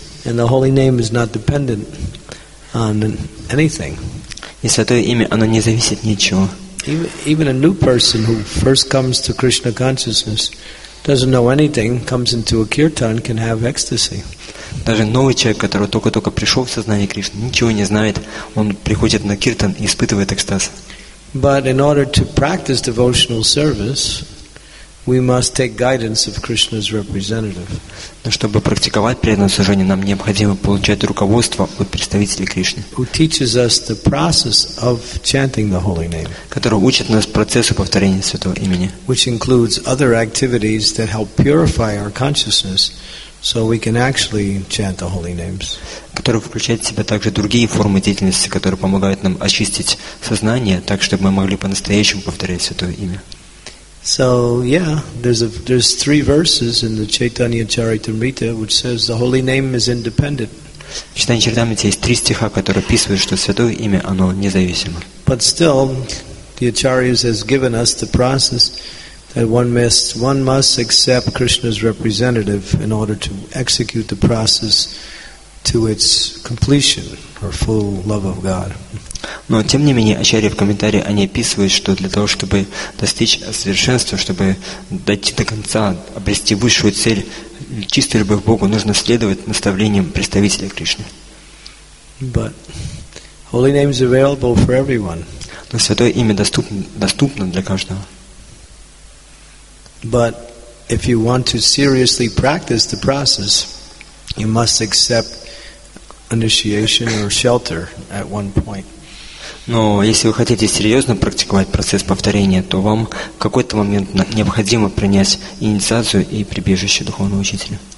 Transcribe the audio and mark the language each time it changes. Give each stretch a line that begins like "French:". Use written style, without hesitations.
English: And the holy name is not dependent on anything.
Russian: И святое имя, оно не зависит ни от чего.
English: Even a new person who first comes to Krishna consciousness doesn't know anything, comes into a kirtan, can have ecstasy.
Russian: Даже новый человек, который только-только пришел в сознание Кришны, ничего не знает, он приходит на киртан и испытывает экстаз.
English: But in order to practice devotional service, we must take guidance of Krishna's representative.
Russian: Но чтобы практиковать преданное служение, нам необходимо получать руководство от представителей Кришны.
English: Who teaches us the process of chanting the holy name?
Russian: Который учит нас процессу повторения святого имени.
English: Which includes other activities that help purify our consciousness, So we can actually chant the holy names.
Russian: Который включает в себя также другие формы деятельности, которые помогают нам очистить сознание, так чтобы мы могли по-настоящему повторять Святое Имя.
English: So yeah, there's three verses in the Chaitanya Charitamrita which says the holy name is independent.
Russian: В Чайтанья Чаритамрите есть три стиха, которые описывают, что Святое Имя оно независимо.
English: But still, the Acharyas has given us the process. That one must accept Krishna's representative in order to execute the process to its completion or full love of God.
Russian: Но тем не менее, Ачарьи в комментарии они описывают, что для того, чтобы достичь совершенства, чтобы дойти до конца, обрести высшую цель чистой любви к Богу, нужно следовать наставлениям представителя Кришны.
English: But holy name is available for everyone.
Russian: Но Святое Имя доступно для каждого.
English: But if you want to seriously practice the process, you must accept initiation or shelter at one point.
Russian: Но если вы хотите серьезно практиковать процесс повторения, то вам в какой-то момент необходимо принять инициацию и прибежище духовного учителя.